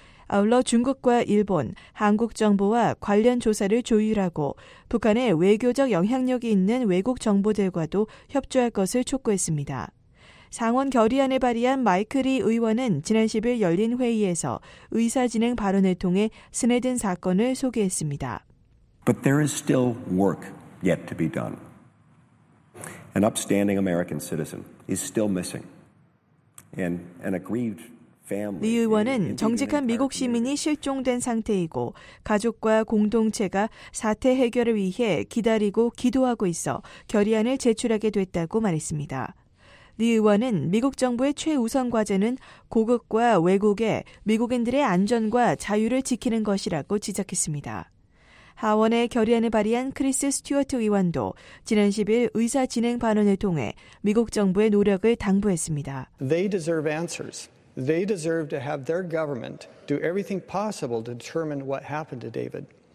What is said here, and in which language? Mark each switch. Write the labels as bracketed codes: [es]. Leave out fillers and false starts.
[ko] 아울러 중국과 일본, 한국 정부와 관련 조사를 조율하고 북한의 외교적 영향력이 있는 외국 정부들과도 협조할 것을 촉구했습니다. 상원 결의안을 발의한 마이크 리 의원은 지난 10일 열린 회의에서 의사진행 발언을 통해 스네든 사건을 소개했습니다. [en] But there is still work yet to be done. An upstanding American citizen is still missing. And an aggrieved [ko] 리 의원은 정직한 미국 시민이 실종된 상태이고 가족과 공동체가 사태 해결을 위해 기다리고 기도하고 있어 결의안을 제출하게 됐다고 말했습니다. 리 의원은 미국 정부의 최우선 과제는 고국과 외국에 미국인들의 안전과 자유를 지키는 것이라고 지적했습니다. 하원의 결의안을 발의한 크리스 스튜어트 의원도 지난 10일 의사 진행 발언을 통해 미국 정부의 노력을 당부했습니다. [en] They deserve answers. They deserve to have their government do everything possible to determine what happened to David.